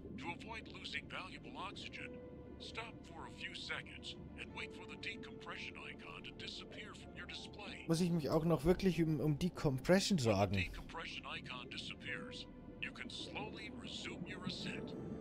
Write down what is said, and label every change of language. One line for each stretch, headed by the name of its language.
English: To avoid losing valuable oxygen, stop for a few seconds and wait for the decompression icon to disappear from your display.
German: Muss ich mich auch noch wirklich um Decompression sorgen?
English: When the decompression icon disappears, you can slowly resume your ascent.